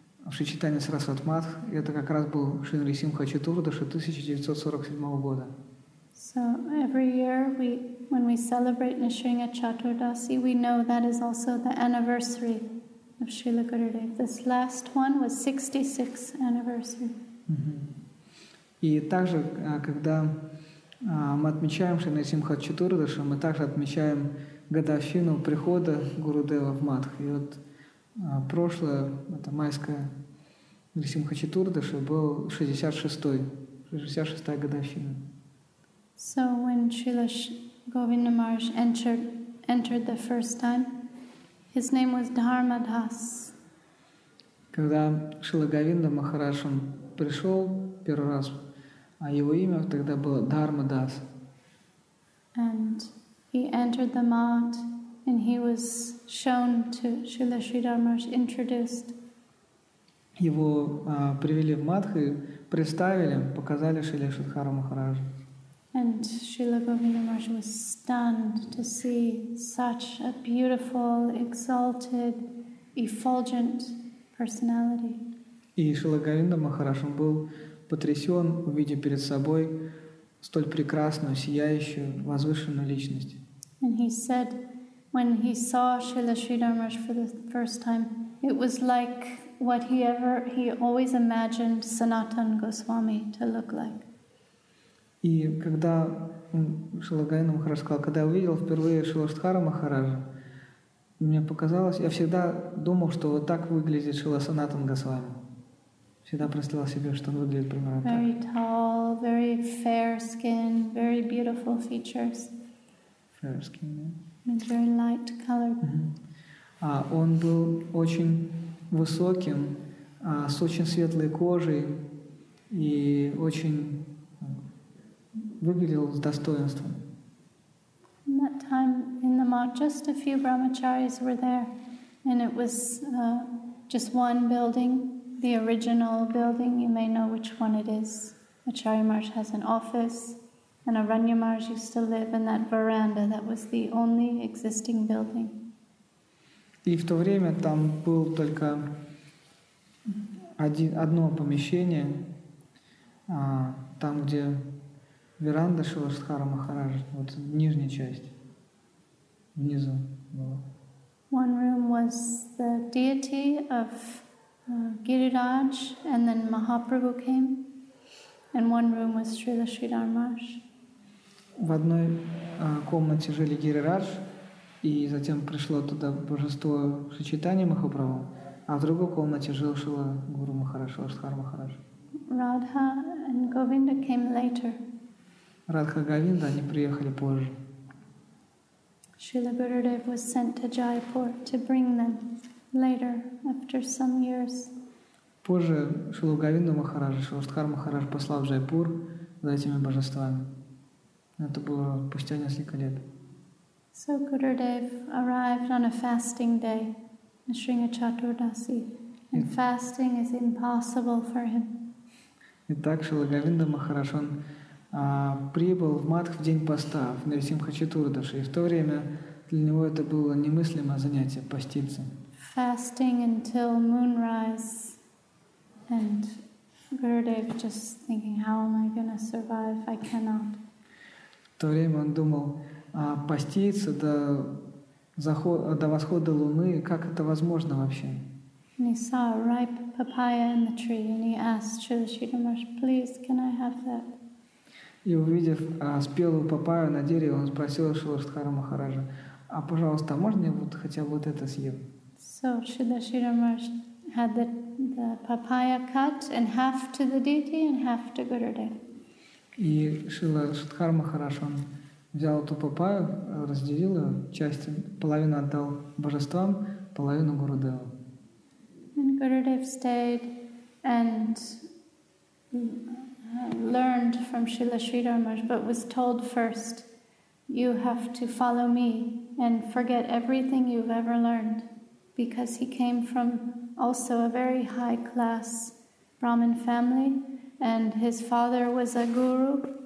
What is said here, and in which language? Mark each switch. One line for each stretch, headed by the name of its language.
Russian: в Шичитане Сарасват Матх, это как раз был Шинри Симха Чатурдаши 1947 года.
English: So every year we, when we celebrate Nisringa Chaturdasi, we know that is also the anniversary of Srila Gurudev. This last one was 66th anniversary.
Russian: И также, когда мы отмечаем Шинри Симха Чатурдаши, мы также отмечаем годовщину прихода Гурудева в Матх. И вот прошлое, это майское Нрисимха Чатурдаши, был 66-я годовщина.
English: So when Srila Govinda Maharaj entered the first time, his name was Dharmadas.
Russian: Когда Шрила Говинда Махарадж пришел первый раз, а его имя тогда было Дхармадас.
English: And he entered the mat, and he was shown to Srila Sridhar Maharaj, introduced.
Russian: Его привели в матх и представили, показали Шриле Шридхару Махараджу.
English: And Srila Govinda Maharaj was stunned to see such a beautiful, exalted, effulgent personality.
Russian: И Шрила Говинда Махарадж был потрясен, увидев перед собой столь прекрасную, сияющую, возвышенную личность.
English: And he said, when he saw Srila Sridhar Maharaj for the first time, it was like what he always imagined Sanatan Goswami to look like.
Russian: И когда Шрила Говинда Махарадж сказал, когда я увидел впервые Шрила Шридхара Махараджа, мне показалось, я всегда думал, что вот так выглядит Шрила Санатан Госвами. Всегда представлял себе, что он выглядит примерно так.
English: Very tall, very fair skin, very beautiful features. Fair skin,
Russian: да.
English: Yeah. Very light color.
Russian: А он был очень высоким, с очень светлой кожей и очень выглядел с достоинством.
English: In that time in the mat, just a few brahmacharis were there, and it was just one building. The original building, you may know which one it is. Acharya Maharaj has an office, and Aranya Maharaj used to live in that veranda. That was the only existing building.
Russian: И в то время там был только одно помещение, там где веранда Шрила Шридхара Махараджа, вот нижняя часть, внизу была.
English: One room was the deity of Giriraj, and then Mahaprabhu came, and one room was Srila Sridhar Maharaj.
Russian: В одной комнате жили Гирирадж, и затем пришло туда божество Шичитани Махапрабху, а в другой комнате жил Шрила Гуру Махарадж, Шридхар Махарадж.
English: Радха and Govinda came later.
Russian: Радха и Говинда, они приехали позже.
English: Srila Gurudev was sent to Jaipur to bring them. Later, after some years.
Russian: Позже Шрила Говинда Махарадж, Шрила Шридхар Махарадж послал в Джайпур за этими божествами. Это было спустя несколько лет.
English: So Gurudev arrived on a fasting day, Nisringa Chaturdasi, and fasting is impossible for him.
Russian: Итак, Шрила Говинда Махарадж, он прибыл в Матх в день поста, в Нарисимха Чатурдаши, и в то время для него это было немыслимое занятие – поститься.
English: Fasting until moonrise, and Gurudev just thinking, how am I going to survive? I cannot.
Russian: В то время он думал, поститься до захода, до восхода луны, как это возможно вообще?
English: And he saw a ripe papaya in the tree, and he asked Srila Sridhar Maharaj, please, can I have that?
Russian: И увидев спелую папайю на дереве, он спросил Шрила Шридхара Махараджа, а пожалуйста, можно я вот хотя бы вот это съем?
English: So Srila Sridhar Maharaj had the papaya cut in half to the deity and half to Gurudev.
Russian: И Шрила Шридхар Махарадж взял эту папаю, разделил ее, часть, половину отдал божествам, половину Гурудеву.
English: And Gurudev stayed and learned from Srila Sridhar Maharaj, but was told first, you have to follow me and forget everything you've ever learned. Because he came from also a very high class Brahmin family, and his father was a guru.